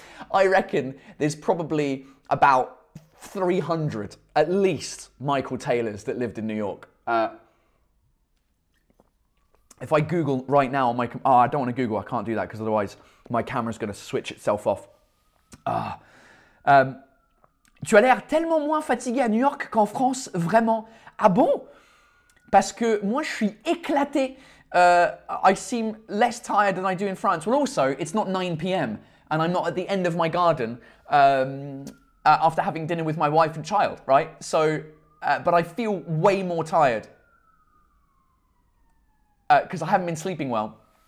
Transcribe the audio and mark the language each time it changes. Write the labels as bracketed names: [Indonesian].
[English] I reckon there's probably about 300, at least, Michael Taylors that lived in New York. If I Google right now on my, I don't want to Google, I can't do that because otherwise my camera's going to switch itself off. [French] Tu as l'air tellement moins fatigué à New York qu'en France, vraiment. Ah bon? Parce que moi, je suis éclaté. [English] I seem less tired than I do in France. Well, also, it's not 9 p.m. and I'm not at the end of my garden after having dinner with my wife and child, right? So, but I feel way more tired because I haven't been sleeping well.